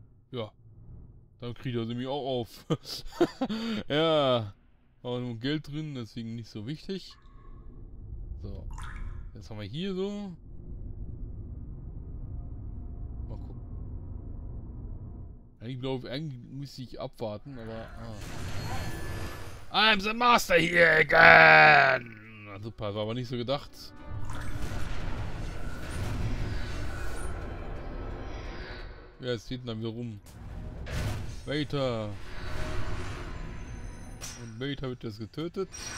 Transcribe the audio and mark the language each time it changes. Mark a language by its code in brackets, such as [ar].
[de] Ja. Dann kriegt er sie mich auch auf. Ja. Aber nur Geld drin, deswegen nicht so wichtig. So. Jetzt haben wir hier so. Mal gucken. Eigentlich müsste ich abwarten, aber. [en] Ah. I'm the master here again! [de] Super, war aber nicht so gedacht. Ja, jetzt steht dann wieder rum. Beta! Und Beta wird jetzt getötet.